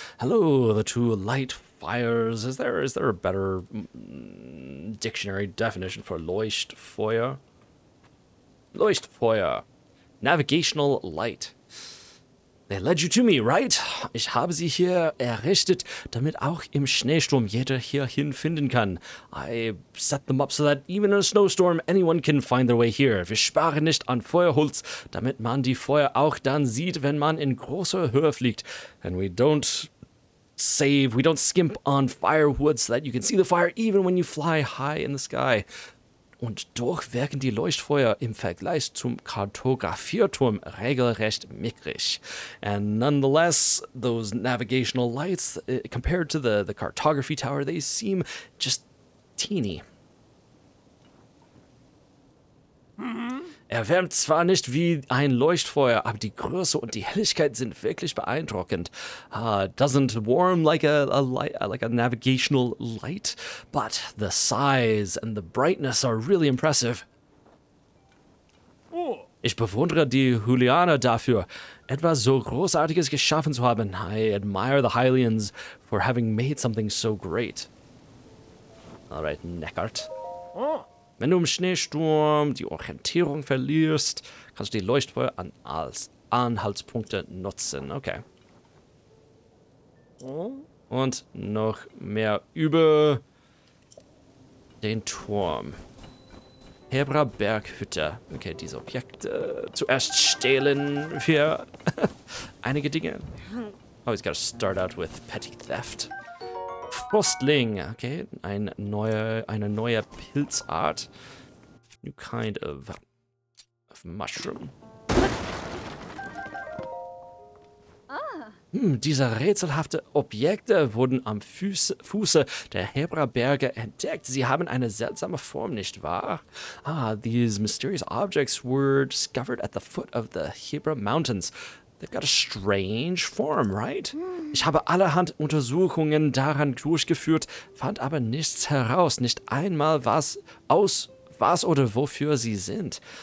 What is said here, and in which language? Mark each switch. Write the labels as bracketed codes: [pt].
[en] Hallo, the two light fires. Is there a better dictionary definition for Leuchtfeuer? Leuchtfeuer. Navigational light. They led you to me, right? [de] Ich habe sie hier errichtet, damit auch im Schneesturm jeder hierhin finden kann. [en] I set them up so that even in a snowstorm anyone can find their way here. [de] Wir sparen nicht an Feuerholz, damit man die Feuer auch dann sieht, wenn man in großer Höhe fliegt. [en] And we don't skimp on firewood so that you can see the fire even when you fly high in the sky. [de] Und doch wirken die Leuchtfeuer im Vergleich zum Kartografierturm regelrecht mickrig. [en] And nonetheless, those navigational lights, compared to the cartography tower, they seem just teeny. [de] Erwärmt zwar nicht wie ein Leuchtfeuer, aber die Größe und die Helligkeit sind wirklich beeindruckend. [en] Doesn't warm like a navigational light, but the size and the brightness are really impressive. [de] Ich bewundere die Hylianer dafür, etwas so Großartiges geschaffen zu haben. [en] I admire the Hylians for having made something so great. Alright, Neckart. [de] Wenn du im Schneesturm die Orientierung verlierst, kannst du die Leuchtfeuer als Anhaltspunkte nutzen. [en] Okay. [de] Und noch mehr über den Turm. Hebra Berghütte. Okay, diese Objekte. Zuerst stehlen wir einige Dinge. [en] Always gotta start out with petty theft. Frostling, okay, [de] eine neue Pilzart. [en] New kind of mushroom. Ah. [de] diese rätselhaften Objekte wurden am Fuße der Hebra-Berge entdeckt. Sie haben eine seltsame Form, nicht wahr? [en] Ah, these mysterious objects were discovered at the foot of the Hebra Mountains. They've got a strange form, right? [de] Ich habe allerhand Untersuchungen daran durchgeführt, fand aber nichts heraus, nicht einmal was oder wofür sie sind.